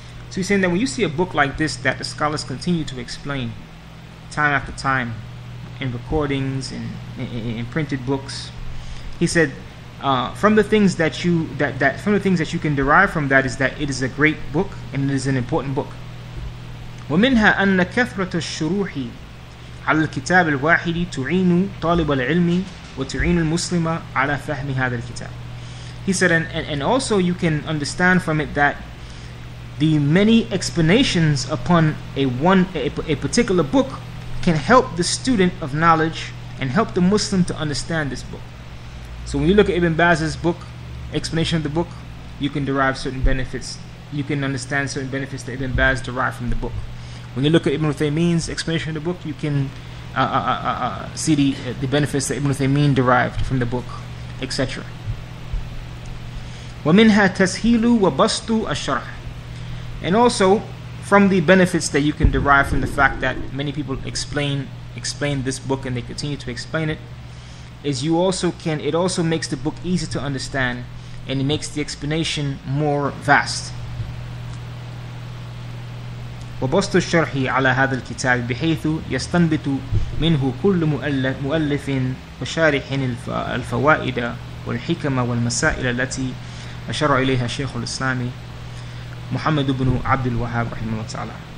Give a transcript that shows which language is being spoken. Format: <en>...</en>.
<en>So he's saying that when you see a book like this that the scholars continue to explain, time after time, in recordings and in printed books, he said, from the things that you can derive from that is that it is a great book and it is an important book.</en> <ar>ومنها أن كثرة الشروح على الكتاب الواحد تعين طالب العلم وتعين المسلم على فهم هذا الكتاب.</ar> <en>He said, and also you can understand from it that the many explanations upon a particular book can help the student of knowledge and help the Muslim to understand this book. So when you look at Ibn Baz's book, explanation of the book, you can derive certain benefits. You can understand certain benefits that Ibn Baz derived from the book. When you look at Ibn Uthaymeen's explanation of the book, you can see the benefits that Ibn Uthaymeen derived from the book, etc.</en> <ar>وَمِنْهَا تَسْهِيلُ وَبَسْطُ الشَّرْحِ.</ar> <en>And also, from the benefits that you can derive from the fact that many people explain this book and they continue to explain it, is you also can, it also makes the book easy to understand and it makes the explanation more vast.</en> <ar>وَبَسْطُ الشَّرْحِ عَلَى هَذَا الْكِتَابِ بِحَيْثُ يَسْتَنْبِتُ مِنْهُ كُلُّ مُؤَلِّفٍ وَشَارِحٍ الْفَوَائِدَ وَالْحِكَمَ وَالْمَسَائِلَ الَّتِي أَشَرَ إِلَيْهَا شَيْخُ الْإِسْلَامِ Muhammad ibn Abd al-Wahhab rahimahullah ta'ala.</ar>